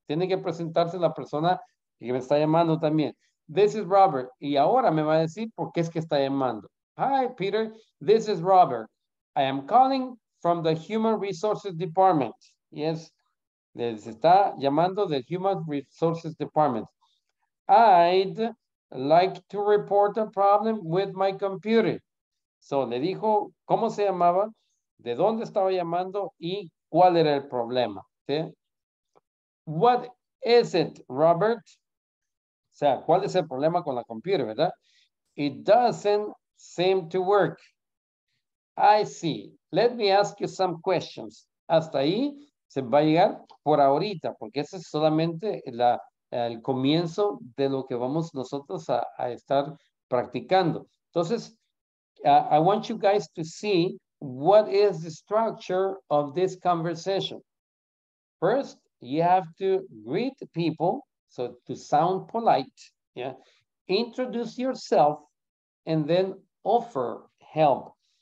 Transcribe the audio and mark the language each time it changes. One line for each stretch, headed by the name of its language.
Spanish: Tiene que presentarse la persona que me está llamando también.
English: This is Robert.
Spanish: Y ahora me va a decir por qué es que está llamando.
English: Hi, Peter, this is Robert. I am calling from the Human Resources Department. Yes,
Spanish: les está llamando del
English: Human Resources Department. I'd like to report a problem with my computer.
Spanish: So, le dijo cómo se llamaba, de dónde estaba llamando y cuál era el problema. ¿Sí?
English: What is it, Robert?
Spanish: O sea, ¿cuál es el problema con la computer, verdad?
English: It doesn't seem to work. I see. Let me ask you some questions.
Spanish: Hasta ahí se va a llegar por ahorita, porque esa es solamente la... el comienzo de lo que vamos nosotros a estar practicando.
English: Entonces, I want you guys to see what is the structure of this conversation. First, you have to greet people, so to sound polite, yeah? Introduce yourself, and then offer help.